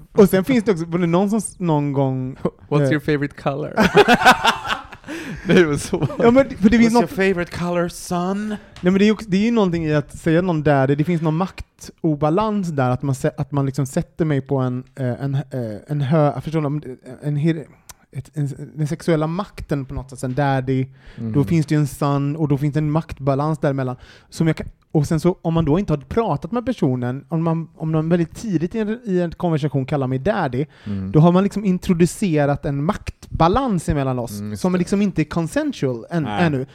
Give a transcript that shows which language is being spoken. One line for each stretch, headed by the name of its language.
Swedish: Och sen finns det också, var det någon som någon gång...
English: What's your favorite color?
Swedish: Det är så. Ja, men, för det
English: What's
Swedish: något,
English: your favorite color, son?
Swedish: Nej, men det är ju någonting i att säga någon där, det finns någon maktobalans där, att man liksom sätter mig på en hö... Förstår du? Den sexuella makten på något sätt, en daddy, då finns det ju en son, och då finns det en maktbalans däremellan som jag kan, och sen så om man då inte har pratat med personen, om man väldigt tidigt i en konversation kallar mig daddy, då har man liksom introducerat en maktbalans emellan oss som är liksom inte consensual ännu.